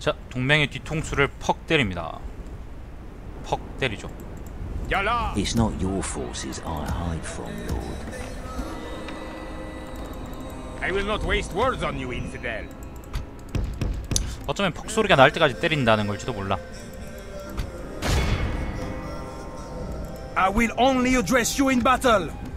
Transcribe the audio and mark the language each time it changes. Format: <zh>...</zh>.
<ko>동맹의 뒤통수를 퍽 때립니다. 퍽 때리죠.</ko> <en>It's not your forces I hide from, Lord. I will not waste words on you, infidel.</en> <ko>어쩌면 퍽 소리가 날 때까지 때린다는 걸지도 몰라.</ko> <en>I will only address you in battle.</en>